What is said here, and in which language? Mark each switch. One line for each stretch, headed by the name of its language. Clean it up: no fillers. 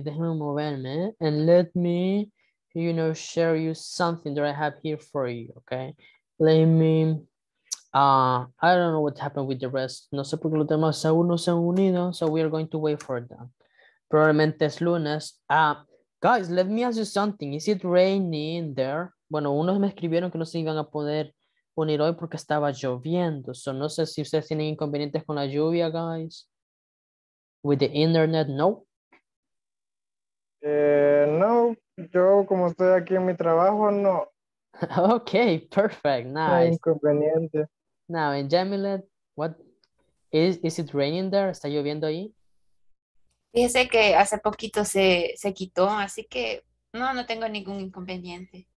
Spanish: Déjame moverme,
English: and let me, you know, share you something that I have here for you, okay? Let me... I don't know what happened with the rest.
Spanish: No sé por qué los demás aún no se han unido.
English: So we are going to wait for them.
Spanish: Probablemente es lunes.
English: Guys, let me ask you something. Is it raining there?
Spanish: Bueno, unos me escribieron que no se iban a poder unir hoy porque estaba lloviendo. So no sé si ustedes tienen inconvenientes con la lluvia, guys.
English: With the internet, no.
Spanish: No, yo como estoy aquí en mi trabajo, no.
English: Okay, perfect, nice.
Spanish: Inconveniente.
English: Now, in Jamilet, what is it raining there?
Spanish: ¿Está lloviendo ahí? Fíjese que hace poquito se quitó, así que no tengo ningún inconveniente.